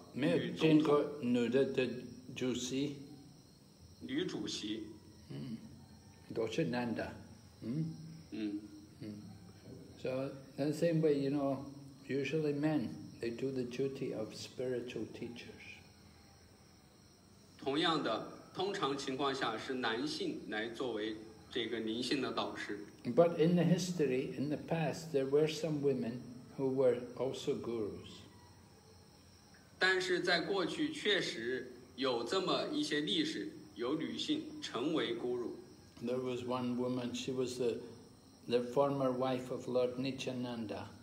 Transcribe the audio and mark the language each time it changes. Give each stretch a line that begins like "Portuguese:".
Chinese: 没有见过女的主席。女主席。都是男的。
English: So in the same way, you know, usually men. They do the duty of spiritual teachers.
Chinese: 同样的，通常情况下是男性来作为这个灵性的导师。
English: But in the history, in the past, there were some women who were also gurus.
Chinese: 但是在过去确实有这么一些历史，有女性成为 guru.
English: There was one woman, she was the former wife of Lord Nityananda.